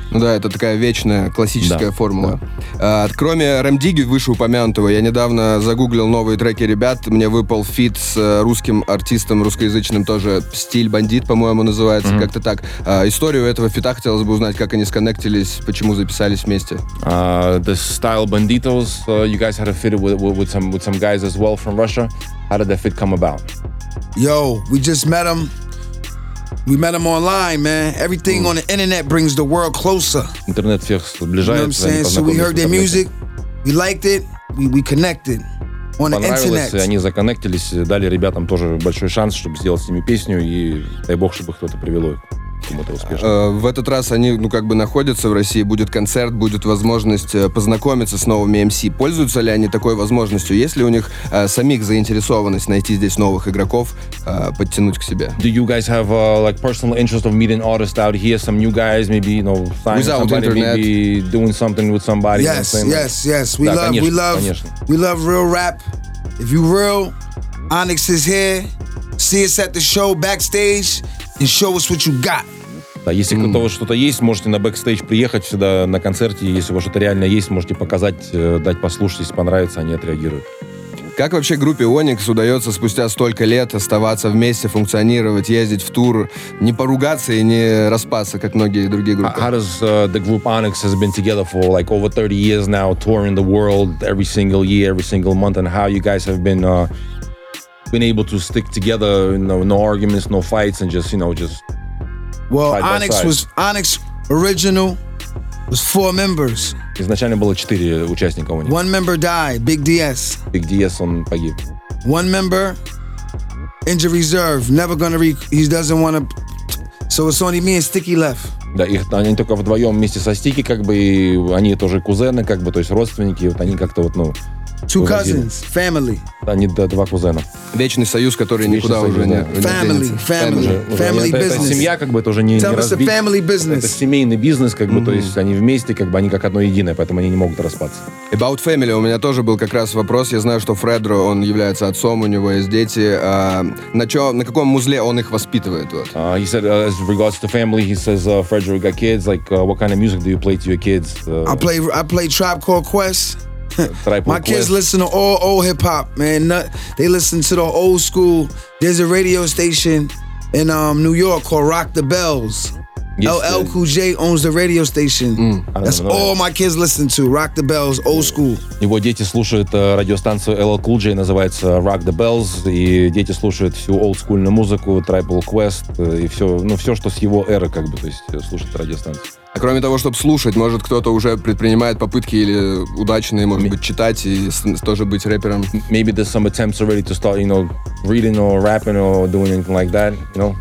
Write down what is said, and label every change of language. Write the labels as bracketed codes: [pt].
[ru] Ну да, это такая вечная классическая формула. Да. Кроме Рэм-Дигги вышеупомянутого, я недавно загуглил новые треки ребят, мне выпал фит с русским артистом, русскоязычным тоже, Стиль Бандит, по-моему, называется, как-то так. Историю этого фита хотелось бы узнать, как они сконнектились, почему записались вместе. [en] The Style Banditos, you guys had a fit with some guys as well from Russia. How did that fit come about? Yo, we just met them. We met them online, man. Everything on the internet brings the world closer. [ru] Интернет всех сближает. [en] You know what I'm saying? So we heard their music, we liked it, we connected on the internet. [ru] Они законнектились, дали ребятам тоже большой шанс, чтобы сделать с ними песню, и дай бог, чтобы кто-то привело их. В этот раз они, ну, как бы находятся в России, будет концерт, будет возможность познакомиться с новыми MC. Пользуются ли они такой возможностью? Есть ли у них самих заинтересованность найти здесь новых игроков, подтянуть к себе? [en] Do you guys have like personal interest of meeting artists out here, some new guys, maybe, you know, signing somebody, internet, maybe doing something with somebody? Yes, yes, yes. We love real rap. If you real, Onyx is here. See us at the show backstage and show us what you got. [ru] Да, если у кого что-то есть, можете на бэкстейдж приехать сюда на концерте. Если у вас что-то реально есть, можете показать, дать послушать. Если понравится, они отреагируют. Как вообще группе Onyx удается спустя столько лет оставаться вместе, функционировать, ездить в тур, не поругаться и не распасться, как многие другие группы? [en] How does the group Onyx has been together for like over 30 years now, touring the world every single year, every single month, and how you guys have been able to stick together, you know, no arguments, no fights, and just, you know, just... Well, Onyx original was four members. [ru] Изначально было четыре участника у них. [en] One member died, Big DS. [ru] Big DS, он погиб. [en] One member, injured reserve, never gonna re... He doesn't wanna... So it's only me and Sticky left. [ru] Да, их, они только вдвоем вместе со Sticky, как бы, и они тоже кузены, как бы, то есть родственники, вот они как-то вот, ну... [en] Two cousins, family. [ru] Да, они два кузена. Вечный союз, который вечный никуда союз, уже не... [en] Family, [ru] это, [en] business. [ru] Это семья, как бы, это уже не разбить. [en] Tell us [ru] разбить. [en] A family business. [ru] Это семейный бизнес, как бы, то есть они вместе, как бы, они как одно единое, поэтому они не могут распаться. [en] About family, [ru] у меня тоже был как раз вопрос. Я знаю, что Фредро, он является отцом, у него есть дети. На каком музле он их воспитывает? Вот? [en] He said, as regards to family, he says, Fredro, you got kids, like, what kind of music do you play to your kids? I play Tribe Called Quest. My quest. Kids listen to all old hip-hop, man. They listen to the old school. There's a radio station in New York called Rock the Bells. LL Cool J owns the radio station. That's all my kids listen to. Rock the Bells, old school. [ru] Его дети слушают радиостанцию LL Cool J, называется Rock the Bells. И дети слушают всю олдскульную музыку, Tribal Quest и все, ну, все, что с его эры, как бы, то есть слушают радиостанцию. А кроме того, чтобы слушать, может, кто-то уже предпринимает попытки или удачные, может быть, читать и тоже быть рэпером? [en] Maybe there's some attempts already to start, you know, reading or rapping or doing anything like that, you know?